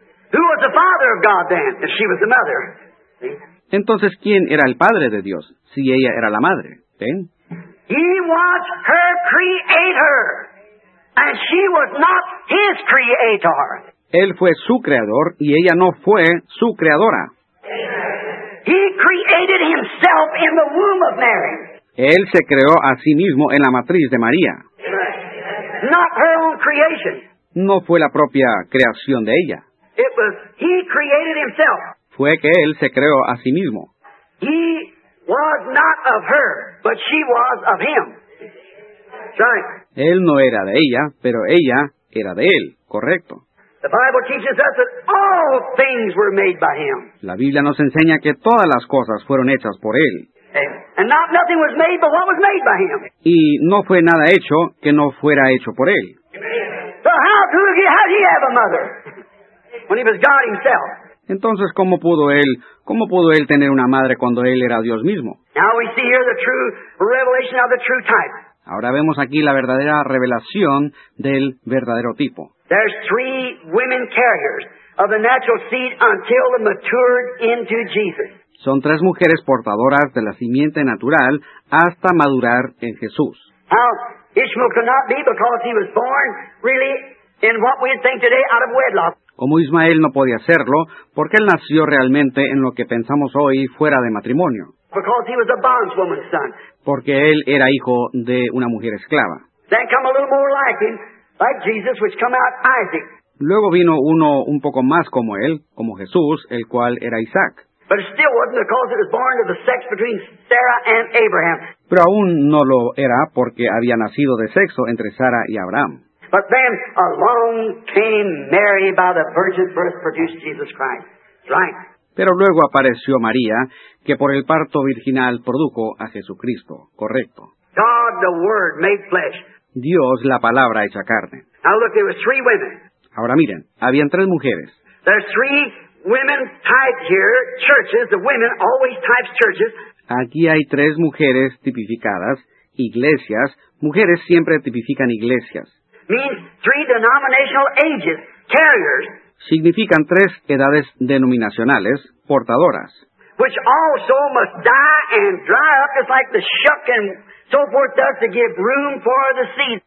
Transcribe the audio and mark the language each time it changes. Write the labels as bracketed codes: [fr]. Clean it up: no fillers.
[en] Who was the father of God then if she was the mother? [es] Entonces, ¿quién era el padre de Dios si ella era la madre? ¿Ven? [en] He was her creator, and she was not his creator. [es] Él fue su creador, y ella no fue su creadora. [en] He created himself in the womb of Mary. [es] Él se creó a sí mismo en la matriz de María. [en] Not her own creation. [es] No fue la propia creación de ella. [en] It was he created himself. [es] Fue que él se creó a sí mismo. [en] He was not of her, but she was of him. Right. [es] Él no era de ella, pero ella era de él. Correcto. [en] The Bible teaches us that all things were made by him. [es] La Biblia nos enseña que todas las cosas fueron hechas por él. [en] And not nothing was made but what was made by him. [es] Y no fue nada hecho que no fuera hecho por él. [en] So how did he have a mother when he was God himself? [es] Entonces, ¿cómo pudo él tener una madre cuando él era Dios mismo? [en] Now we see here the true revelation of the true type. [es] Ahora vemos aquí la verdadera revelación del verdadero tipo. [en] There's three women carriers of the natural seed until they matured into Jesus. [es] Son tres mujeres portadoras de la simiente natural hasta madurar en Jesús. [en] Now, Ishmael could not be because he was born really in what we think today out of wedlock. [es] Como Ismael no podía hacerlo, porque él nació realmente en lo que pensamos hoy fuera de matrimonio. [en] Because he was a bondwoman's son. [es] Porque él era hijo de una mujer esclava. [en] Then come a little more like him, like Jesus, which come out Isaac. [es] Luego vino uno un poco más como él, como Jesús, el cual era Isaac. [en] But it still wasn't because it was born of the sex between Sarah and Abraham. [es] Pero aún no lo era porque había nacido de sexo entre Sara y Abraham. [en] But then along came Mary by the virgin birth produced Jesus Christ. Right. [es] Pero luego apareció María, que por el parto virginal produjo a Jesucristo. Correcto. [en] God the Word made flesh. [es] Dios la palabra hecha carne. [en] Now look, there were three women. [es] Ahora miren, habían tres mujeres. [en] There are three women type here, churches. The women always types churches. [es] Aquí hay tres mujeres tipificadas, iglesias. Mujeres siempre tipifican iglesias. [en] Means three denominational ages, carriers. [es] Significan tres edades denominacionales, portadoras. [en] Which also must die and dry up, just like the shuck and so forth does to give room for the seed.